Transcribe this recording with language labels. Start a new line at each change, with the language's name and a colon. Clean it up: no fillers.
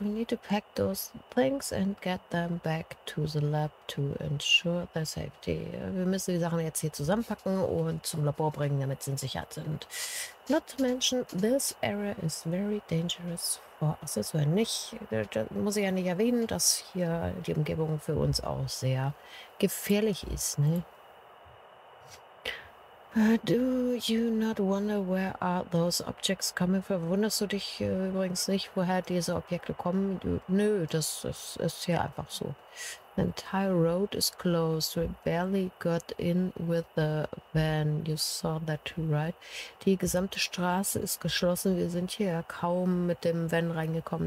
English: We need to pack those things and get them back to the lab to ensure their safety.
German: Wir müssen die Sachen jetzt hier zusammenpacken und zum Labor bringen, damit sie sicher sind.
English: Not to mention, this area is very dangerous for us.
German: Das war nicht, das muss ich ja nicht erwähnen, dass hier die Umgebung für uns auch sehr gefährlich ist, ne?
English: Do you not wonder where are those objects coming from?
German: Wunderst du dich übrigens nicht, woher diese Objekte kommen? Nö, das ist hier einfach so.
English: The entire road is closed. We barely got in with the van. You saw that too, right?
German: Die gesamte Straße ist geschlossen. Wir sind hier ja kaum mit dem Van reingekommen.